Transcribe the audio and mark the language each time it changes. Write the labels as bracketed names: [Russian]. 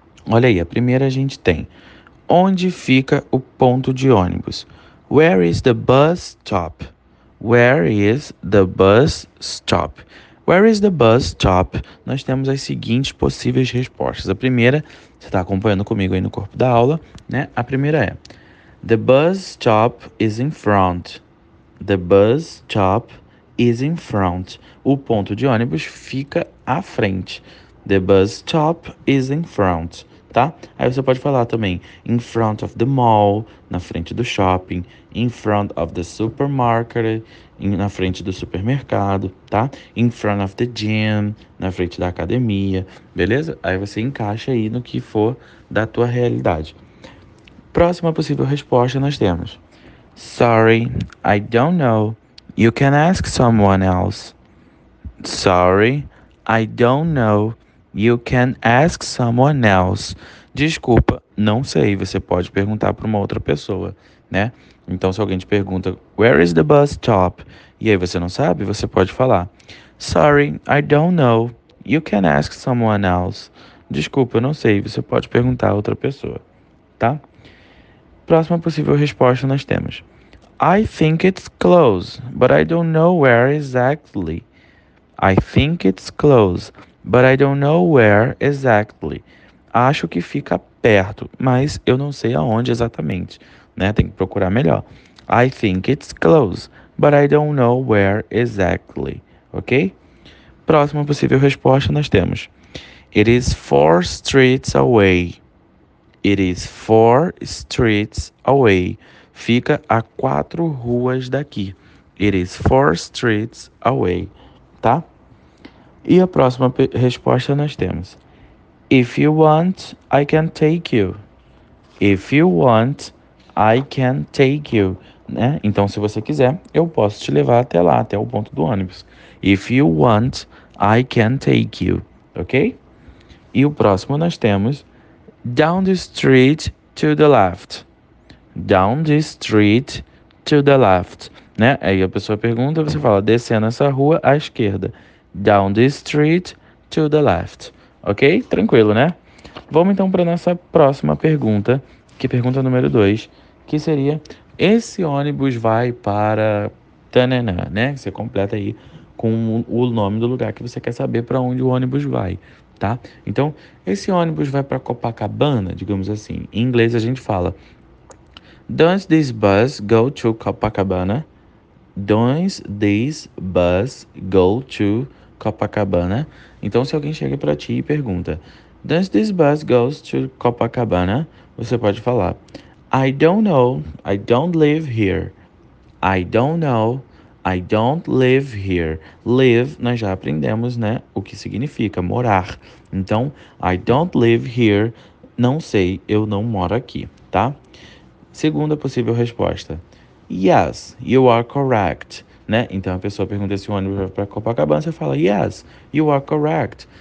[Portuguese] Olha aí, a primeira a gente tem: onde fica o ponto de ônibus? [English] Where is the bus stop? Where is the bus stop? Where is the bus stop? [Portuguese] Nós temos as seguintes possíveis respostas. A primeira, você está acompanhando comigo aí no corpo da aula, né? A primeira é: [English] The bus stop is in front. The bus stop is in front. [Portuguese] O ponto de ônibus fica à frente. [English] The bus stop is in front. [Portuguese] Tá? Aí você pode falar também: [English] in front of the mall, [Portuguese] na frente do shopping, [English] in front of the supermarket, [Portuguese] na frente do supermercado, tá? [English] In front of the gym, [Portuguese] na frente da academia, beleza? Aí você encaixa aí no que for da tua realidade. Próxima possível resposta nós temos: [English] Sorry, I don't know. You can ask someone else. Sorry, I don't know. You can ask someone else. [Portuguese] Desculpa, não sei. Você pode perguntar para uma outra pessoa, né? Então, se alguém te pergunta: [English] Where is the bus stop? [Portuguese] E aí você não sabe, você pode falar: [English] Sorry, I don't know. You can ask someone else. [Portuguese] Desculpa, não sei. Você pode perguntar a outra pessoa, tá? Próxima possível resposta nós temos: [English] I think it's close, but I don't know where exactly. I think it's close, but I don't know where exactly. [Portuguese] Acho que fica perto, mas eu não sei aonde exatamente, né? Tem que procurar melhor. [English] I think it's close, but I don't know where exactly. Ok? [Portuguese] Próxima possível resposta nós temos: [English] It is four streets away. It is four streets away. [Portuguese] Fica a quatro ruas daqui. [English] It is four streets away. [Portuguese] Tá? E a próxima resposta nós temos: [English] If you want, I can take you. If you want, I can take you. [Portuguese] Né? Então, se você quiser, eu posso te levar até lá, até o ponto do ônibus. [English] If you want, I can take you. Ok? [Portuguese] E o próximo nós temos: [English] Down the street to the left. Down the street to the left. [Portuguese] Né? Aí a pessoa pergunta, você fala: descendo essa rua à esquerda. [English] Down the street to the left. [Portuguese] Ok? Tranquilo, né? Vamos então para nossa próxima pergunta, que é pergunta número 2, que seria: esse ônibus vai para Tanana, né? Você completa aí com o nome do lugar que você quer saber para onde o ônibus vai, tá? Então, esse ônibus vai para Copacabana, digamos assim. Em inglês a gente fala: [English] Does this bus go to Copacabana? Does this bus go to Copacabana? [Portuguese] Então, se alguém chega para ti e pergunta: [English] Does this bus go to Copacabana? [Portuguese] Você pode falar: [English] I don't know, I don't live here. I don't know, I don't live here. [Portuguese] Live, nós já aprendemos, né, o que significa morar. Então, [English] I don't live here [Portuguese] Não sei, eu não moro aqui, tá? Segunda possível resposta. [English] Yes, you are correct, [Portuguese] né? Então a pessoa pergunta se o ônibus vai para Copacabana, você fala [English] yes, you are correct.